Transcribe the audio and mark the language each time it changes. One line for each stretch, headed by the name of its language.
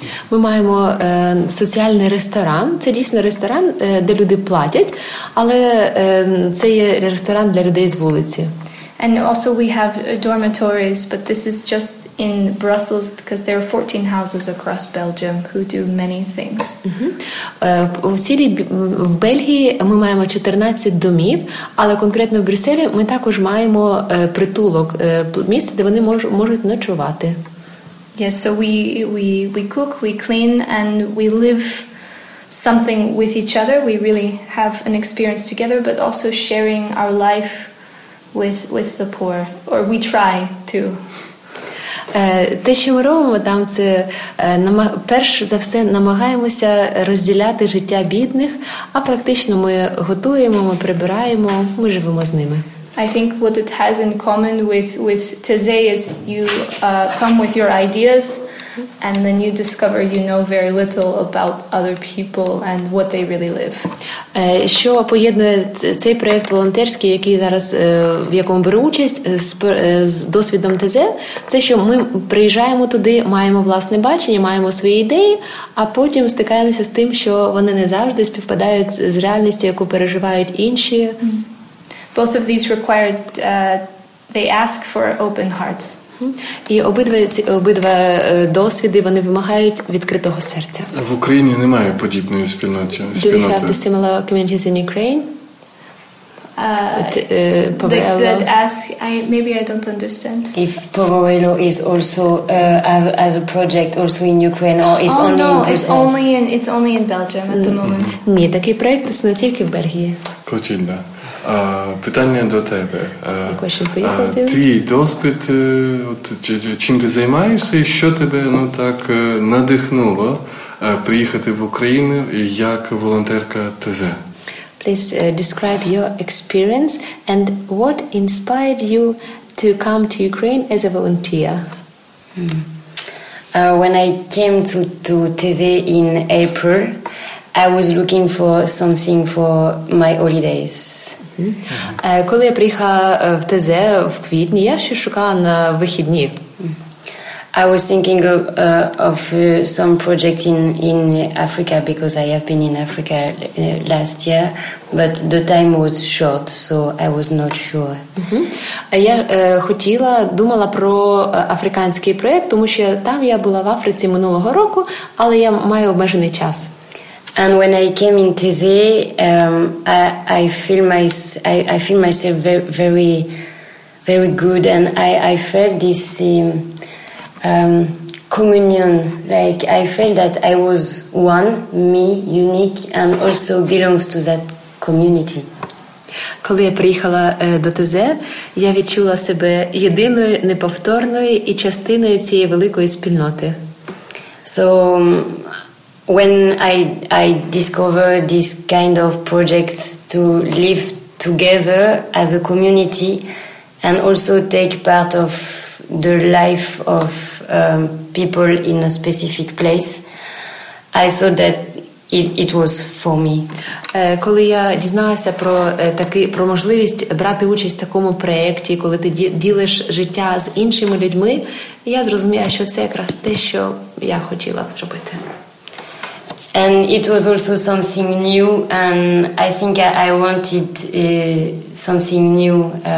Ukrainian: Ми маємо соціальний ресторан. Це дійсно ресторан, де люди платять, але це є ресторан для людей з вулиці.
English: And also we have dormitories, but this is just in Brussels, because there are 14 houses across Belgium who do many things. Mm-hmm.
Ukrainian: В Бельгії ми маємо 14 домів, але конкретно в Брюсселі ми також маємо притулок, місце, де вони можуть ночувати.
English: Yes, so we cook, we clean, and we live something with each other. We really have an experience together, but also sharing our life with the poor, or we try to.
Ukrainian: Те, що ми робимо там, це перш за все намагаємося розділяти життя бідних, а практично ми готуємо, ми прибираємо, ми живемо з ними.
English: I think what it has in common with Teze is you come with your ideas and then you discover you know very little about other people and what they really live.
Ukrainian: Що поєднує цей проєкт волонтерський, який зараз в якому беру участь, з досвідом Teze, це що ми приїжджаємо туди, маємо власне бачення, маємо свої ідеї, а потім стикаємося з тим, що вони не завжди співпадають з реальністю, яку переживають інші.
English: Both of these required, they ask for open hearts.
Ukrainian: І обидва досвіди, вони вимагають відкритого серця. В Україні немає подібної спільноти.
English: Do we have the similar communities in Ukraine? That ask, I don't understand. If Poverello is also as a project also in Ukraine or is only in Brussels? Oh no, it's only in Belgium at the moment.
Ukrainian: Ні, такий проєкт існує тільки в Бельгії. Клотильда. Питання до тебе. Твій досвід, чим ти займаєшся, і що тебе так надихнуло приїхати в Україну як волонтерка Teze?
English: Please describe your experience and what inspired you to come to Ukraine as a volunteer. When I came to Teze in April, I was looking for something for my holidays.
Ukrainian: Коли я приїхала в Тезе в квітні, я ще шукала на вихідні.
English: I was thinking of some project in Africa because I have been in Africa last year, but the time was short, so I was not sure.
Ukrainian: Я думала про африканський проект, тому що там я була в Африці минулого року, але я маю обмежений час.
English: And when I came in Teze, I feel myself very, very, very good, and I felt this communion. Like I felt that I was one, me, unique, and also belongs to that community.
Ukrainian: Коли я приїхала до Teze, я відчула себе єдиною, неповторною і частиною цієї великої спільноти. So.
English: When I discovered this kind of project to live together as a community and also take part of the life of people in a specific place, I saw that it was for me.
Ukrainian: Коли я дізналася про можливість брати участь в такому проєкті, коли ти ділиш життя з іншими людьми, я зрозуміла, що це якраз те, що я хотіла б зробити.
English: And it was also something new, and I think I wanted something new.